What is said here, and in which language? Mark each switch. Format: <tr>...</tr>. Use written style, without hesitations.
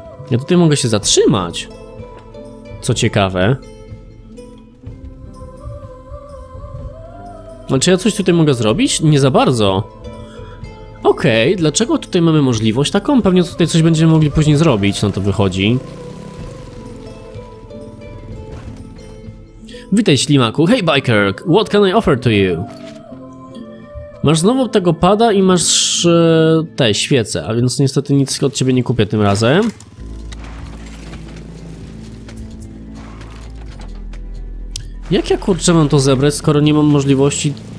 <pl>Ja tutaj mogę się zatrzymać. Co ciekawe. Znaczy ja coś tutaj mogę zrobić? Nie za bardzo. Okej, okay, dlaczego tutaj mamy możliwość taką? Pewnie tutaj coś będziemy mogli później zrobić, no to wychodzi. Witaj, ślimaku.</pl> <en>Hey, biker, what can I offer to you?</en> <pl>Masz znowu tego pada i masz te świece, a więc niestety nic od ciebie nie kupię tym razem. Jak ja, kurczę, mam to zebrać, skoro nie mam możliwości...</pl>